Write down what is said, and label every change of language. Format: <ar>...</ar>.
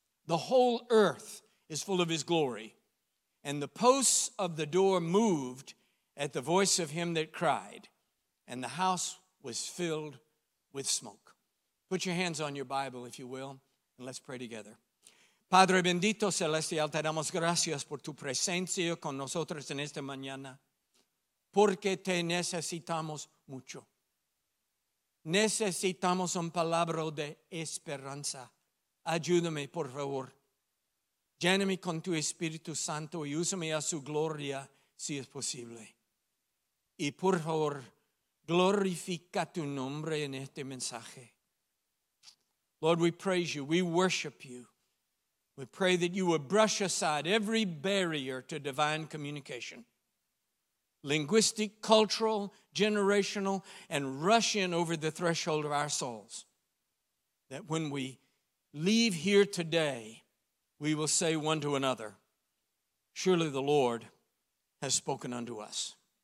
<en>The whole earth is full of his glory.' And the posts of the door moved at the voice of him that cried, and the house was filled with smoke." Put your hands on your Bible, if you will, and let's pray together.</en> <es>Padre bendito celestial, te damos gracias por tu presencia con nosotros en esta mañana, porque te necesitamos mucho. Necesitamos un palabra de esperanza. Ayúdame, por favor. Lléname con tu Espíritu Santo y úsame a su gloria, si es posible. Y por favor, glorifica tu nombre en este mensaje.</es> <en>Lord, we praise you. We worship you. We pray that you would brush aside every barrier to divine communication. Linguistic, cultural, generational, and rush in over the threshold of our souls. That when we leave here today, we will say one to another, "Surely the Lord has spoken unto us."</en>